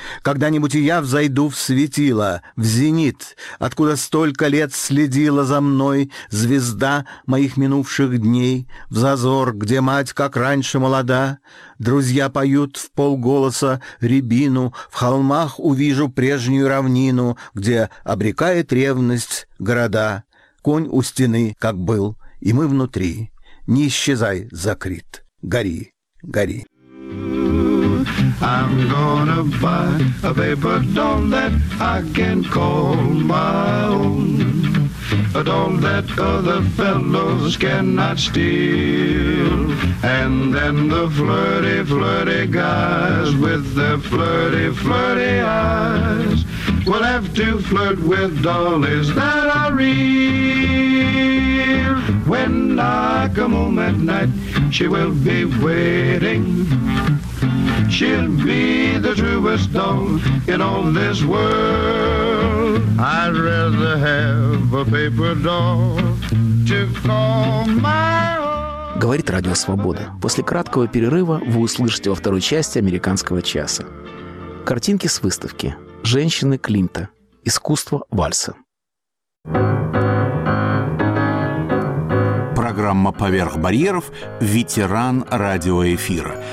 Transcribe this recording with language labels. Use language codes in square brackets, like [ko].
[ru] Когда-нибудь и я взойду в светило, в зенит, откуда столько лет следила за мной звезда моих минувших дней, в зазор, где мать, как раньше, молода. Друзья поют в полголоса рябину, в холмах увижу прежнюю равнину, где обрекает ревность города. Конь у стены, как был, и мы внутри. Не исчезай, закрыт, гори, гори. [en] I'm gonna buy a paper doll that I can call my own. A doll that other fellows cannot steal. And then the flirty, flirty guys with their flirty, flirty eyes will have to flirt with dollies that are real. When I come home at night, she will be waiting. She'll be the truest doll in all this world. I'd rather have a paper doll to call my own. [ru] Говорит Радио Свобода. После краткого перерыва вы услышите во второй части «Американского часа». Картинки с выставки «Женщины Климта. Искусство вальса». Программа «Поверх барьеров» – ветеран радиоэфира.